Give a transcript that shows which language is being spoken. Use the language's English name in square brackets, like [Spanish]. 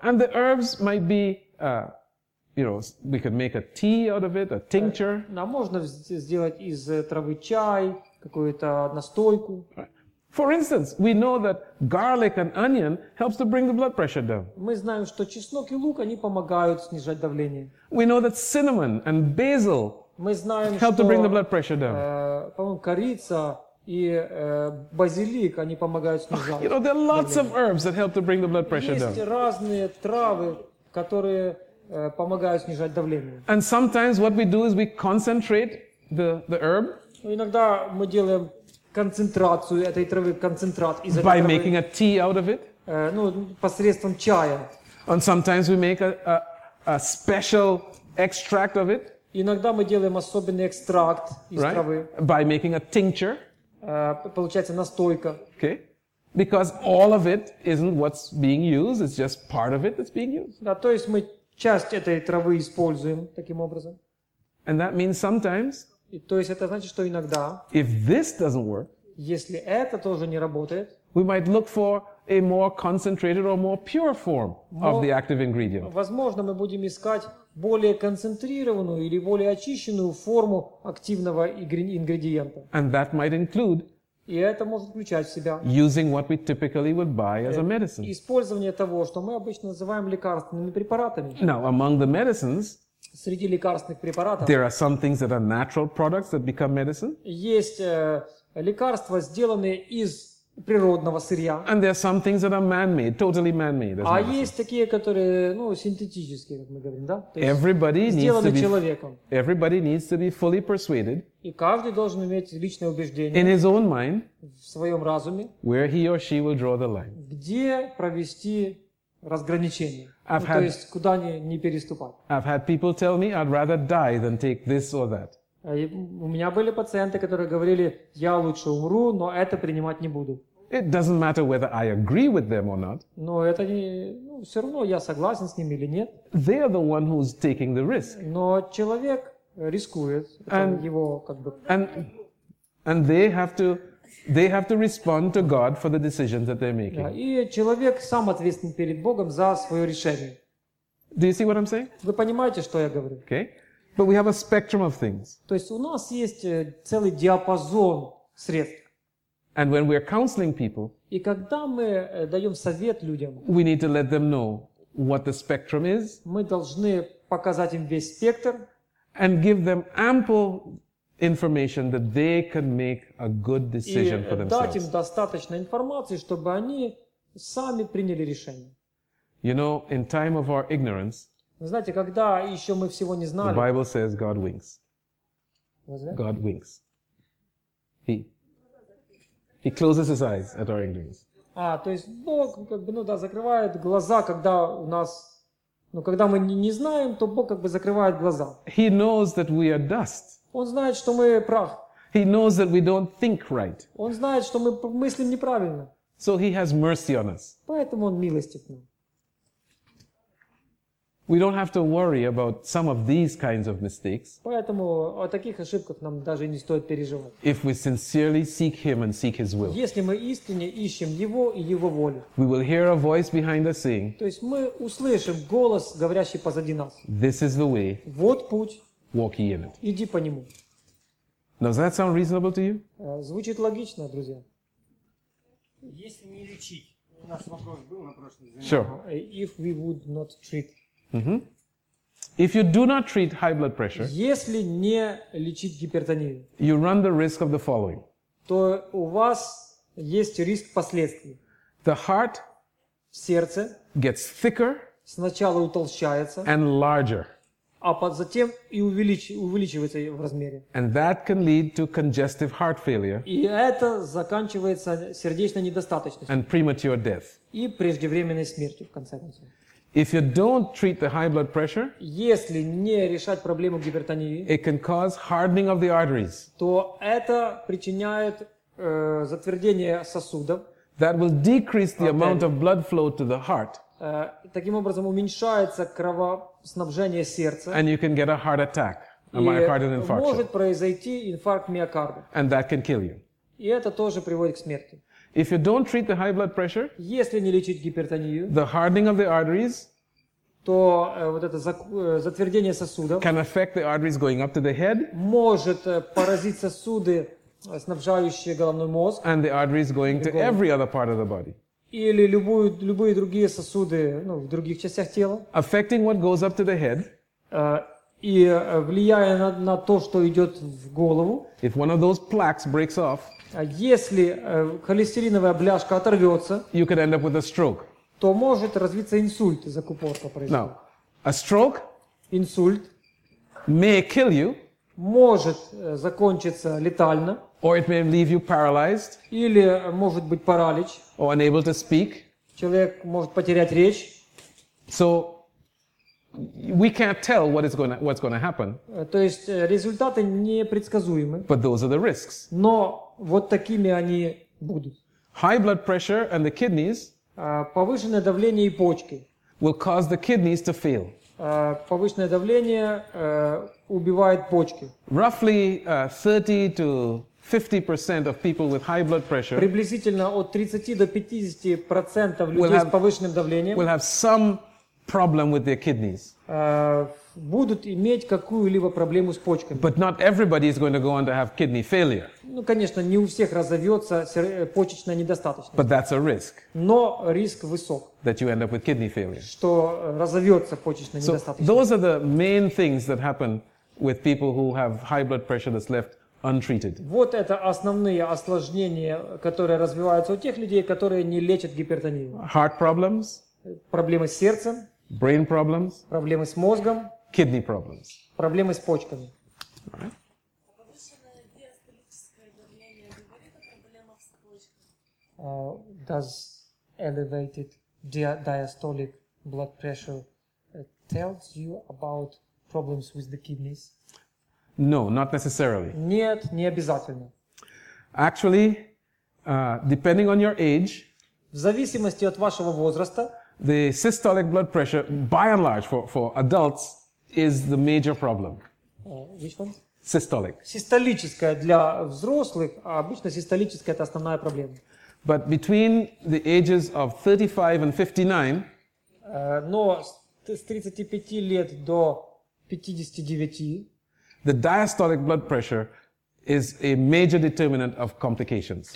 [English] And the herbs might be, you know, we could make a tea out of it, a tincture. [Russian] Нам можно сделать из травы чай. Какую-то настойку. [English] For instance, we know that garlic and onion helps to bring the blood pressure down. [Russian] Мы знаем, что чеснок и лук они помогают снижать давление. [English] We know that cinnamon and basil [Russian] мы знаем, [English] help [Russian] что, [English] to bring the blood pressure down. [Russian] По-моему, корица И базилик, они помогают снижать. [English] You know, there are lots of herbs that help to bring the blood pressure down. [Russian] Есть разные травы, которые помогают снижать давление. [English] And sometimes what we do is we concentrate the herb. [Russian] Иногда мы делаем концентрацию этой травы, концентрат из этой травы. [English] By making a tea out of it. [Russian] Ну, посредством чая. [English] And sometimes we make a special extract of it. [Russian] Иногда мы делаем особенный экстракт из травы. [English] By making a tincture. [Russian] Получается настойка. [English] Okay. Because all of it isn't what's being used, it's just part of it that's being used. [Russian] Да, то есть мы часть этой травы используем таким образом. [English] And that means sometimes. [Russian] И, то есть это значит, что иногда. [English] If this doesn't work. [Russian] Если это тоже не работает. [English] We might look for a more concentrated or more pure form of the active ingredient. [Russian] Возможно, мы будем искать более концентрированную или более очищенную форму активного ингредиента. [English] And that might include. [Russian] И это может включать в себя. [English] Using what we typically would buy as a medicine. [Russian] Использование того, что мы обычно называем лекарственными препаратами. [English] Now, among the medicines. [Russian] Среди лекарственных препаратов. [English] There are some things that are natural products that become medicine. [Russian] Есть лекарства, сделанные из природного сырья. [English] And there are some things that are man-made, totally man-made. [Russian] А есть такие, которые, ну, синтетические, как мы говорим, да? [English] Everybody needs to be [Russian] человеком. [English] Everybody needs to be fully persuaded. [Russian] И каждый должен иметь личное убеждение. [English] In his own mind. [Russian] В своем разуме. [English] Where he or she will draw the line. [Russian] Где провести разграничение? То есть куда не переступать? [English] I've had people tell me I'd rather die than take this or that. [Russian] У меня были пациенты, которые говорили, я лучше умру, но это принимать не буду. [English] It doesn't matter whether I agree with them or not. [Russian] Но это не, ну, все равно я согласен с ними или нет. [English] They are the one who's taking the risk. [Russian] Но человек рискует, [English] and, [Russian] это его как бы. [English] And they have to respond to God for the decisions that they're making. [Russian] Да, и человек сам ответственен перед Богом за свое решение. [English] Do you see what I'm saying? [Russian] Вы понимаете, что я говорю? [English] Okay. But we have a spectrum of things. [Russian] То есть у нас есть целый диапазон средств. [English] And when we are counseling people, [Russian] и когда мы даем совет людям, [English] we need to let them know what the spectrum is. [Russian] Мы должны показать им весь спектр. [English] And give them ample information that they can make a good decision for themselves. [Russian] И дать им достаточно информации, чтобы они сами приняли решение. [English] You know, in time of our ignorance. [Russian] Вы знаете, когда еще мы всего не знали. [English] The Bible says God winks. Was that? God winks. He closes his eyes at our ignorance. [Russian] А, то есть Бог как бы, ну да, закрывает глаза, когда у нас, ну когда мы не знаем, то Бог как бы закрывает глаза. [English] He knows that we are dust. [Russian] Он знает, что мы прах. [English] He knows that we don't think right. [Russian] Он знает, что мы мыслим неправильно. [English] So he has mercy on us. [Russian] Поэтому он милостив к нам. [English] We don't have to worry about some of these kinds of mistakes. [Russian] Поэтому о таких ошибках нам даже не стоит переживать. [English] If we sincerely seek him and seek his will. [Russian] Если мы искренне ищем его и его волю. [English] We will hear a voice behind us saying. [Russian] То есть мы услышим голос, говорящий позади нас. [English] This is the way. [Russian] Вот путь. [English] Walk ye in it. [Russian] Иди по нему. [English] Does that sound reasonable to you? [Russian] Звучит логично, друзья. Если не лечить. У нас вопрос был на прошлой занятии. [English] Sure. If we would not treat. Mm-hmm. If you do not treat high blood pressure, [Russian] если не лечить гипертонию, [English] you run the risk of the following. [Russian] То у вас есть риск последствий. [English] The heart [Russian] сердце [English] gets thicker, [Russian] сначала утолщается, [English] and larger, [Russian] а затем и увеличивается в размере. [English] And that can lead to congestive heart failure. [Russian] И это заканчивается сердечной недостаточностью. [English] And premature death. [Russian] И преждевременной смертью в конце концов. [English] If you don't treat the high blood pressure, [Russian] если не решать проблему гипертонии, [English] it can cause hardening of the arteries. [Russian] То это причиняет затвердение сосудов. [English] That will decrease the amount of blood flow to the heart. [Russian] Таким образом уменьшается кровоснабжение сердца. [English] And you can get a heart attack, a myocardial infarction. [Russian] Может произойти инфаркт миокарда. [English] And that can kill you. [Russian] И это тоже приводит к смерти. [English] If you don't treat the high blood pressure, [Russian] если не лечить гипертонию, [English] the hardening of the arteries, [Russian] то вот это затвердение сосудов, [English] can affect the arteries going up to the head, [Russian] может поразить сосуды, снабжающие головной мозг, [English] and the arteries going to every other part of the body, [Russian] или любые другие сосуды, ну, в других частях тела, [English] affecting what goes up to the head, [Russian] и влияя на то, что идет в голову, [English] if one of those plaques breaks off, [Russian] если холестериновая бляшка оторвется, [English] you could end up with a stroke. [Russian] То может развиться инсульт из-за купорта происходит. [English] Now, a stroke, [Russian] инсульт, [English] may kill you, [Russian] может закончиться летально, [English] or it may leave you paralyzed, [Russian] или может быть паралич, [English] or unable to speak. [Russian] Человек может потерять речь. [English] So we can't tell what's going to happen. [Russian] То есть результаты непредсказуемы. [English] But those are the risks. [Russian] Но вот такими они будут. [English] High blood pressure and the kidneys. [Russian] Повышенное давление и почки. [English] Will cause the kidneys to fail. [Russian] Повышенное давление убивает почки. [English] Roughly 30 to 50% of people with high blood pressure. [Russian] Приблизительно от 30 до 50% людей с повышенным давлением. [English] Will have some problem with their kidneys. [Russian] Будут иметь какую-либо проблему с почками. [English] But not everybody is going to go on to have kidney failure. [Russian] Ну, конечно, не у всех разовьется почечная недостаточность. [English] But that's a risk. [Russian] Но риск высок. [English] That you end up with kidney failure. [Russian] Что разовьется почечная недостаточность. [English] So those are the main things that happen with people who have high blood pressure that's left untreated. [Russian] Вот это основные осложнения, которые развиваются у тех людей, которые не лечат гипертонию. [English] Heart problems. [Russian] Проблемы с сердцем. [English] Brain problems. [Russian] Проблемы с мозгом. [English] Kidney problems. [Russian] Проблемы с почками. [English] Does elevated diastolic blood pressure tells you about problems with the kidneys? No, not necessarily. [Russian] Нет, не обязательно. [English] Actually, depending on your age. [Russian] В зависимости от вашего возраста. [English] The systolic blood pressure, by and large, for adults, is the major problem. Which one? Systolic. [Russian] Систолическая для взрослых, а обычно систолическая – это основная проблема. [English] But between the ages of 35 and 59, [Russian] но с 35 лет до 59, [English] the diastolic blood pressure is a major determinant of complications.